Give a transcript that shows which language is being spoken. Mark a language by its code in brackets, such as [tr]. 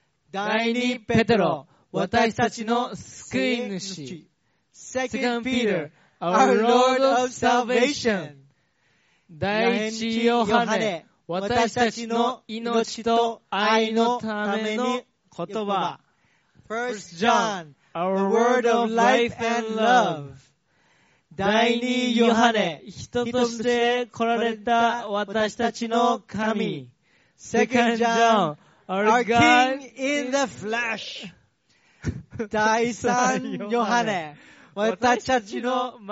[ja] 第二ペテロ、私たちの救い主。 [en] Second Peter, our Lord of salvation. [ja] 第一ヨハネ、私たちの命と愛のための言葉。 [en] First John, our word of life and love. [ja] 第二ヨハネ、人として来られた私たちの神。 [en] Second John, our King in the flesh. [ja] 第三ヨハネ、私たちの